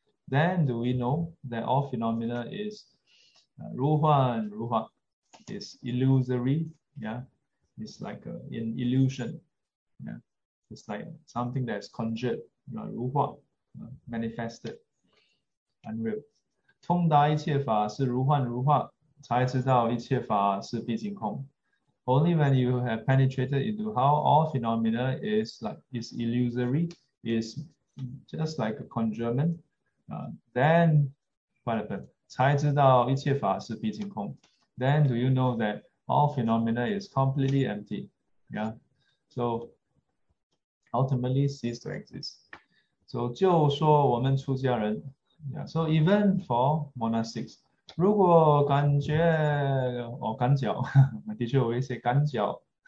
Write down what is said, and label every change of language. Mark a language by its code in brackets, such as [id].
[en] Then do we know that all phenomena is 如幻如化, is illusory, yeah? It's like an illusion, yeah? It's like something that is conjured, you know, 如幻, manifested, unreal. [zh] 通达一切法是如幻如化，才知道一切法是毕竟空。 [en] Only when you have penetrated into how all phenomena is illusory, is just like a conjurement, then what happened? [zh] 才知道一切法是毕竟空。 [en] Then do you know that all phenomena is completely empty? Yeah. So ultimately cease to exist. So [zh] 就说我们出家人。 [en] Yeah, so even for monastics, [zh] 如果感觉哦感脚，的确我会说感脚。